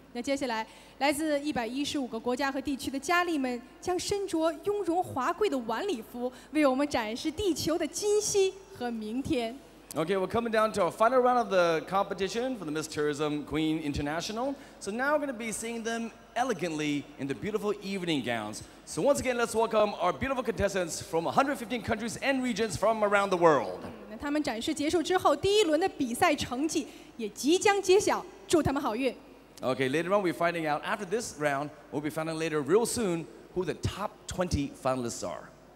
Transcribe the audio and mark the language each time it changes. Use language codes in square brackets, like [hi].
[zh] 那接下来，来自115个国家和地区的佳丽们将身着雍容华贵的晚礼服，为我们展示地球的今夕和明天。 [en] Okay, we're coming down to our final round of the competition for the Miss Tourism Queen International. So now we're going to be seeing them elegantly in the beautiful evening gowns. So once again, let's welcome our beautiful contestants from 115 countries and regions from around the world. [zh] 那他们展示结束之后，第一轮的比赛成绩也即将揭晓，祝他们好运。 [en] Okay, later on we're finding out after this round, we'll be finding later real soon who the top 20 finalists are.